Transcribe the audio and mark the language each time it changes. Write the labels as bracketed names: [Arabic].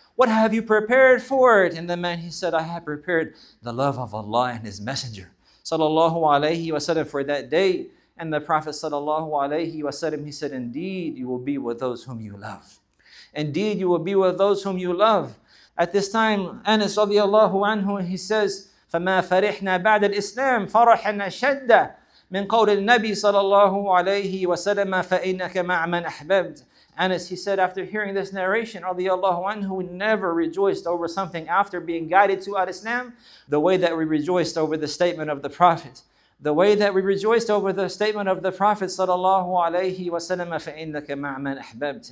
[English] What have you prepared for it? And the man, he said, I have prepared the love of Allah and His Messenger. Sallallahu alayhi wa sallam, for that day. And the Prophet sallallahu alayhi wa sallam, he said, indeed, you will be with those whom you love. Indeed, you will be with those whom you love. At this time, Anas radiallahu anhu, he says, [Arabic] فَمَا فَرِحْنَا بَعْدَ الْإِسْلَامِ فَرَحَنَا شَدَّ مِنْ قَوْلِ النَّبِي sallallahu alayhi wa sallam فَإِنَّكَ مَعْ مَنْ أَحْبَبْتَ. [English] Anas, he said, after hearing this narration, radiallahu anhu, we never rejoiced over something after being guided to al-Islam the way that we rejoiced over the statement of the Prophet. The way that we rejoiced over the statement of the Prophet sallallahu alayhi wa sallam, [Arabic] فَإِنَّكَ مَعْ مَنْ أَحْبَبْتَ.